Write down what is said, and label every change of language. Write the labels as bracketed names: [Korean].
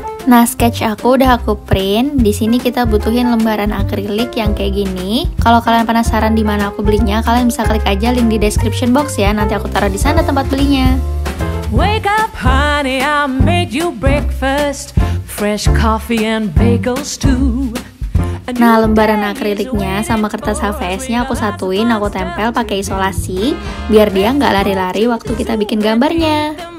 [Indonesian] Nah, sketch aku udah aku print. Di sini kita butuhin lembaran akrilik yang kayak gini. Kalau kalian penasaran di mana aku belinya, kalian bisa klik aja link di description box ya. Nanti aku taruh di sana tempat belinya. [English] Wake up, honey, I made you breakfast. Fresh coffee and bagels too. [Indonesian] Nah, lembaran akriliknya sama kertas HVS-nya aku satuin, aku tempel pakai isolasi biar dia nggak lari-lari waktu kita bikin gambarnya.